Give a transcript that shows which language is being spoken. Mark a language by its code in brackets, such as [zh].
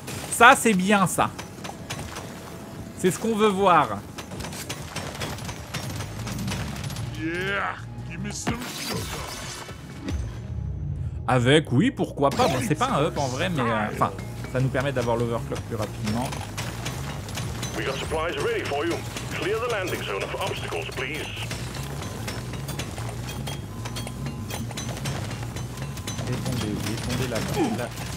[fr] Ça, c'est bien, ça. C'est ce qu'on veut voir. [en] Yeah. Give me some sugar. [fr] Avec, oui, pourquoi pas. Bon, c'est pas un up en vrai, mais. Enfin, ça nous permet d'avoir l'overclock plus rapidement. [en] We got supplies ready for you. Clear the landing zone of obstacles, please. [fr] Défendez, défendez là-bas.